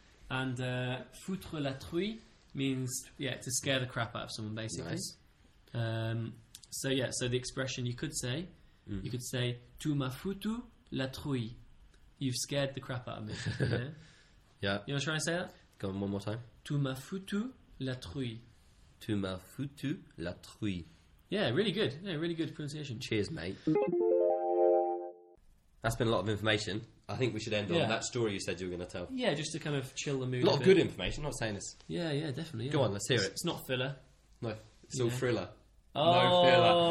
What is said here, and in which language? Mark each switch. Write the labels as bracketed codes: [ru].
[en] And [fr] foutre la trouille [en] means, yeah, to scare the crap out of someone, basically. Nice. So, yeah, so the expression you could say, you could say, [fr] tu m'as foutu la trouille. [en] You've scared the crap out of me. Yeah. Yeah. You want to try and say that? Come on, one more time. [fr] Tu m'as foutu la trouille. Tu m'as foutu la trouille. [en] Yeah, really good. Yeah, really good pronunciation. Cheers, mate. That's been a lot of information. I think we should end on that story you said you were going to tell. Yeah, just to kind of chill the mood. A lot of good information. I'm not saying this. Yeah, yeah, definitely. Go on, let's hear it. It's not filler. No, it's all thriller. Oh. No filler.